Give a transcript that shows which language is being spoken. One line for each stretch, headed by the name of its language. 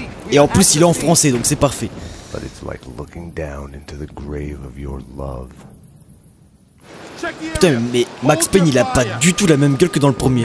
French: Et en plus, il est en français, donc c'est parfait.
English: But it's like looking down into the grave of your love.
French: Putain, mais Max Payne, il a pas du tout la même gueule que dans le premier.